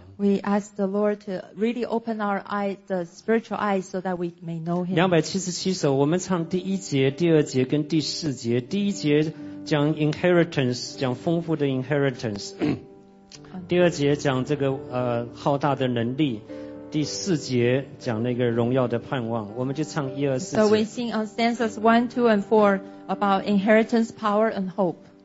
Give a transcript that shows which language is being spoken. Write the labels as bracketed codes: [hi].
[en] We ask the Lord to really open our eyes, the spiritual eyes, so that we may know Him. [zh] 277首，我们唱第一节、第二节跟第四节。第一节讲 inheritance, 讲丰富的 inheritance. 第二节讲这个浩大的能力。第四节讲那个荣耀的盼望，我们就唱一二四节。 [en] So we sing on stanzas 1, 2, and 4 about inheritance, power, and hope.